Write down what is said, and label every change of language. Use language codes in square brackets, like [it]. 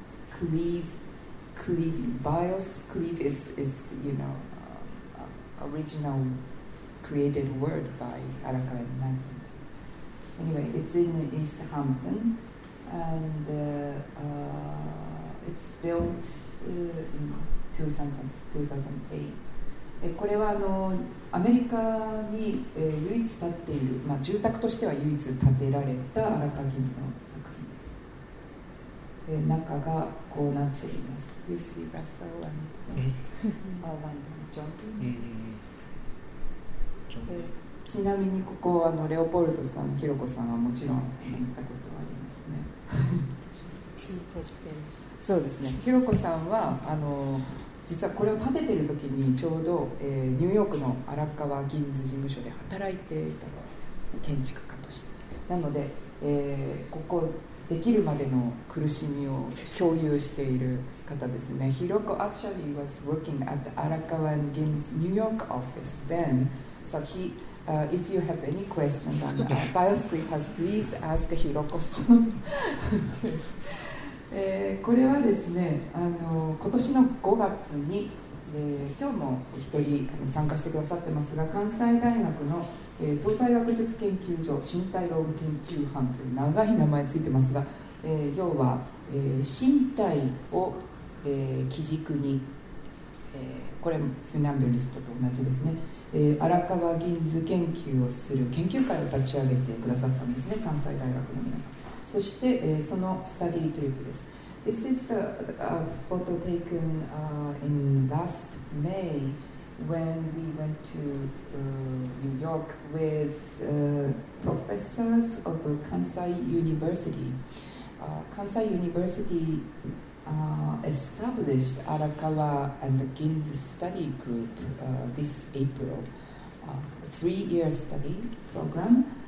[en] Cleaving. Bios Cleave is you know, original created word by Arakawa and Madeline. Anyway, it's in East Hampton and it's built in. 2008。 [ja] これはあのアメリカに、唯一建っている、まあ、住宅としては唯一建てられたアラカギンズの作品です。中がこうなっています。 [en] You see Russell and Alan jumping. [ja] ちなみにここあのレオポルトさん、ヒロコさんはもちろん行ったことはありますね。私もプロジェクトやりました。そうですね。ヒロコさんはあの実はこれを建てている時にちょうど、ニューヨークの荒川ギンズ事務所で働いていたのです、ね、建築家として。なので、ここできるまでの苦しみを共有している方ですね。 [en] ヒロコ actually was working at the Arakawa and Ginz New York office then. So he, if you have any questions on the biosphere has, please ask Hiroko さん。 [ja] これはですね、今年の5月に、今日も一人参加してくださってますが、関西大学の、東西学術研究所身体論研究班という長い名前ついてますが、要は、身体を、基軸に、これもフナンブリストと同じですね、荒川銀図研究をする研究会を立ち上げてくださったんですね、関西大学の皆さん。そして、そのスタディというです。 [en] This is the photo taken in last May when we went to New York with professors of Kansai University. Kansai University established Arakawa and Ginza study group this April, a three-year study program.